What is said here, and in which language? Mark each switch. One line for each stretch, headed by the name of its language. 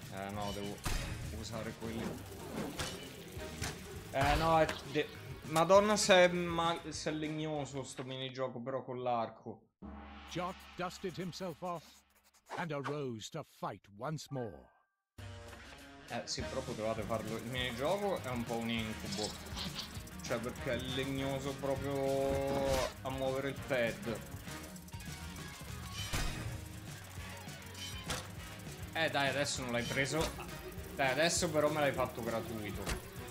Italian: No, devo usare quelli. Madonna, se è legnoso sto minigioco, però con l'arco.
English: Jock dusted himself off and arose to fight once more.
Italian: Sì, però potevate farlo. Il minigioco è un po' un incubo. Cioè, perché è legnoso proprio a muovere il pad. Dai, adesso non l'hai preso. Dai, adesso però me l'hai fatto gratuito.